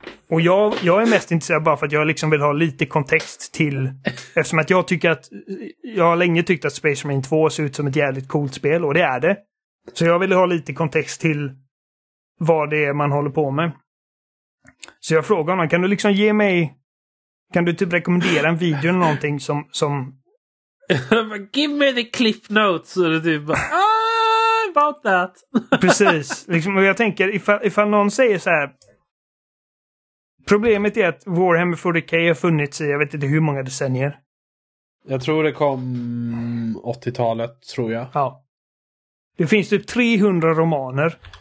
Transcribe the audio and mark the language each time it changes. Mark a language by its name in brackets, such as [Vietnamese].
[Swedish] Och jag är mest intresserad bara för att jag liksom vill ha lite kontext till, eftersom att jag tycker att jag har länge tyckt att Space Marine 2 ser ut som ett jävligt coolt spel, och det är det. Så jag vill ha lite kontext till vad det är man håller på med. Så jag frågar honom, kan du liksom ge mig, kan du typ rekommendera en video eller någonting som [English] give me the cliff notes, [Swedish] eller typ bara, [English] ah, about that. [Swedish] Precis, liksom, och jag tänker ifall någon säger så här. Problemet är att Warhammer 40K har funnits i, jag vet inte hur många decennier. Jag tror det kom 80-talet, tror jag. Ja. Det finns typ 300 romaner.